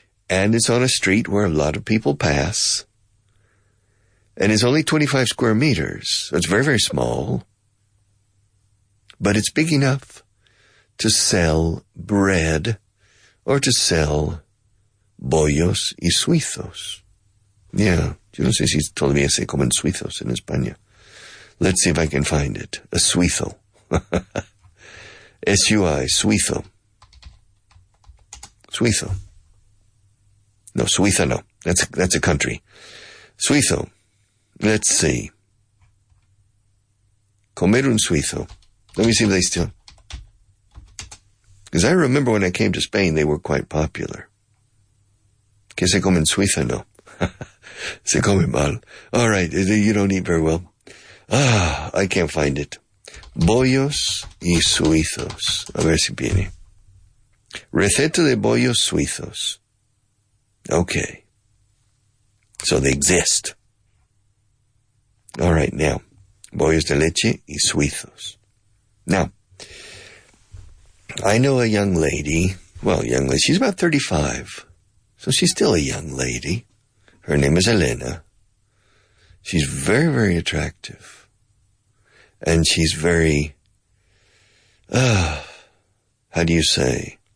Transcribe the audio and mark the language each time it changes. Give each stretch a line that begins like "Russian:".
English: And it's on a street where a lot of people pass. And it's only 25 square meters. So it's very, very small. But it's big enough to sell bread or to sell
Spanish: bollos y suizos.
English: Yeah.
Spanish: Yo no sé si todavía se comen suizos en España.
English: Let's see if I can find it. A suizo. S-U-I, suizo. Suizo. No, Suiza, no. That's a country. Suizo. Let's see.
Spanish: Comer un suizo.
English: Let me see if they still... Because I remember when I came to Spain, they were quite popular.
Spanish: Que se comen suiza, no. Se comen mal.
English: All right, you don't eat very well. Ah, I can't find it.
Spanish: Bollos y suizos. A ver si viene. Receta de bollos suizos.
English: Okay, so they exist. All right, now,
Spanish: bollos de leche y suizos.
English: Now, I know a young lady, she's about 35, so she's still a young lady. Her name is Elena. She's very, very attractive, and she's very, how do you say?